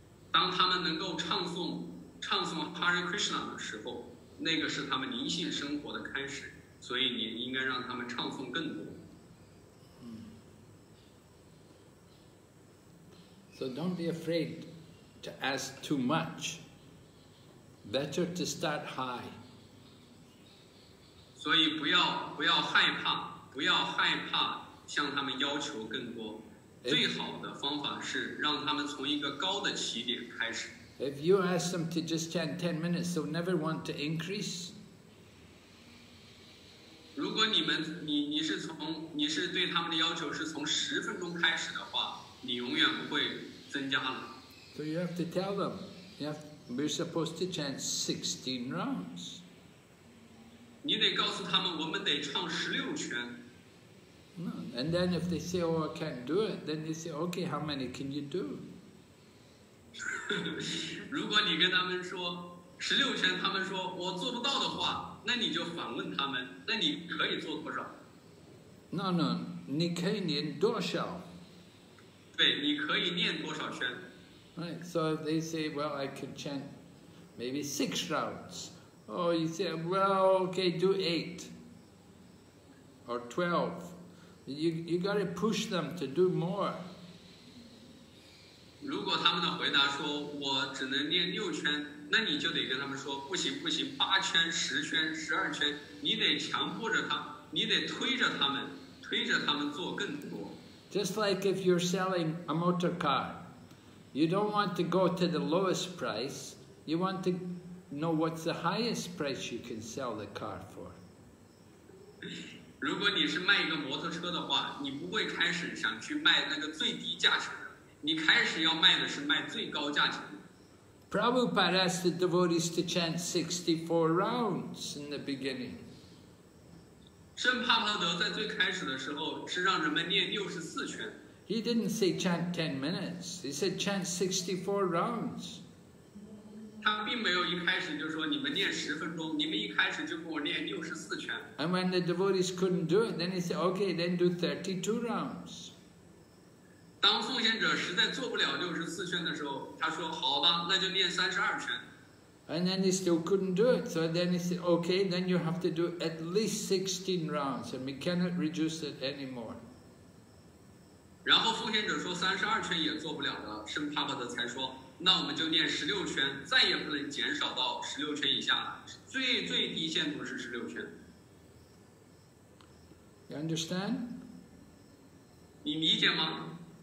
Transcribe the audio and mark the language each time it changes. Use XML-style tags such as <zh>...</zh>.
<zh>当他们能够唱诵 Hare Krishna 的时候，那个是他们灵性生活的开始，所以你应该让他们唱诵更多。</zh> <en>So don't be afraid to ask too much. Better to start high.</en> <zh>所以不要害怕向他们要求更多。最好的方法是让他们从一个高的起点开始。</zh> <en>If you ask them to just chant 10 minutes, they'll never want to increase.</en> <zh>如果你是对他们的要求是从十分钟开始的话，你永远不会增加了。</zh> <en>So you have to tell them, we're supposed to chant 16 rounds.</en> <zh>你得告诉他们，我们得唱十六圈。</zh> <en>And then if they say, "Oh, I can't do it," then they say, "Okay, how many can you do?"</en> <zh>如果你跟他们说十六圈，他们说我做不到的话，那你就反问他们，那你可以做多少？</zh> <en>No, no,</en> <zh>你可以念多少？对，你可以念多少圈？</zh> <en>Right, so they say, well, I could chant maybe 6 rounds. Oh, you say, well, okay, do 8 or 12. You got to push them to do more.</en> <zh>如果他们的回答说我只能念六圈，那你就得跟他们说不行不行，八圈、十圈、十二圈，你得强迫着他，你得推着他们，推着他们做更多。</zh> <en>Just like if you're selling a motor car, you don't want to go to the lowest price, you want to know what's the highest price you can sell the car for.</en> <zh>如果你是卖一个摩托车的话，你不会开始想去卖那个最低价钱，你开始要卖的是卖最高价钱。</zh> <en>Prabhupada asked the devotees to chant 64 rounds in the beginning.</en> <zh>圣帕帕德在最开始的时候是让人们念64圈。</zh> <en>He didn't say chant 10 minutes. He said chant 64 rounds.</en> <zh>他并没有一开始就说你们念十分钟，你们一开始就给我念64圈。</zh> <en>And when the devotees couldn't do it, then he said, okay, then do 32 rounds.</en> <zh>当奉献者实在做不了六十四圈的时候，他说：“好吧，那就念32圈。”</zh> <en>And then he still couldn't do it. So then he said, "Okay, then you have to do at least 16 rounds, and we cannot reduce it anymore."</en> <zh>然后奉献者说32圈也做不了了，圣帕帕德才说：“那我们就念16圈，再也不能减少到16圈以下了，最最低限度是16圈。”</zh> <en>You understand?</en> <zh>你理解吗？</zh>